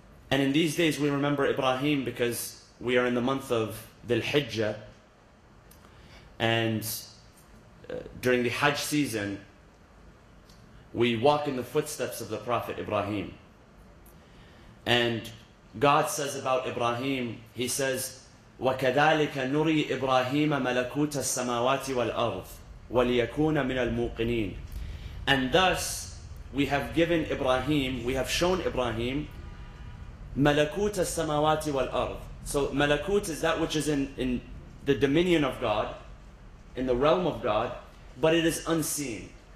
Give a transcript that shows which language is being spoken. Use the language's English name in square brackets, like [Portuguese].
[English] And in these days we remember Ibrahim because we are in the month of Dhul Hijjah. And during the Hajj season, we walk in the footsteps of the Prophet Ibrahim. And God says about Ibrahim, He says, [Arabic] وَكَذَلِكَ نُرِي إِبْرَاهِيمَ مَلَكُوتَ السَّمَاوَاتِ وَالْأَرْضِ وَلِيَكُونَ مِنَ الْمُوقِنِينَ. [English] And thus, we have given Ibrahim, we have shown Ibrahim, [Arabic] مَلَكُوتَ السَّمَاوَاتِ وَالْأَرْضِ. [English] So malakut is that which is in the dominion of God, in the realm of God, but it is unseen.